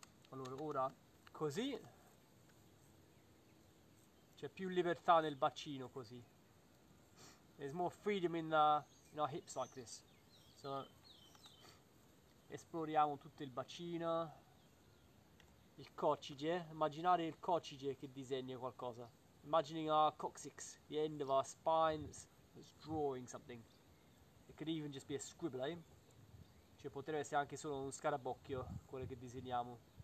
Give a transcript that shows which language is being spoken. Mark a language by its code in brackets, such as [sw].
[it] Allora, ora così c'è più libertà nel bacino così. [en] There's more freedom in our hips like this. [it] So esploriamo tutto il bacino. Il coccige, immaginare il coccige che disegna qualcosa. [en] Imagining our coccyx, the end of our spine that's drawing something. It could even just be a scribble, eh? [it] Cioè potrebbe essere anche solo un scarabocchio, quello che disegniamo.